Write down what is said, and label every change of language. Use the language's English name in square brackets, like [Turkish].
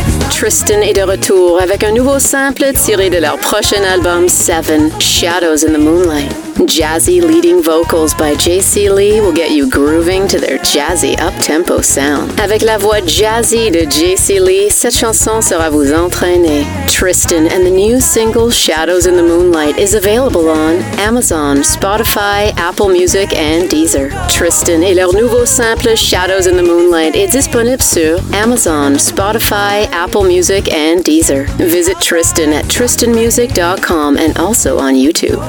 [French] Tristan est de retour avec un nouveau sample tiré de leur prochain album 7, Shadows in the Moonlight. [English] Jazzy leading vocals by JC Lee will get you grooving to their jazzy up-tempo sound. [French] Avec la voix jazzy de JC Lee, cette chanson sera vous entraîner. [English] Tristan and the new single Shadows in the Moonlight is available on Amazon, Spotify, Apple Music and Deezer. [French] Tristan et leur nouveau sample Shadows in the Moonlight est disponible sur Amazon, Spotify, Apple Music and Deezer. [English] Visit Tristan at tristanmusic.com and also on YouTube.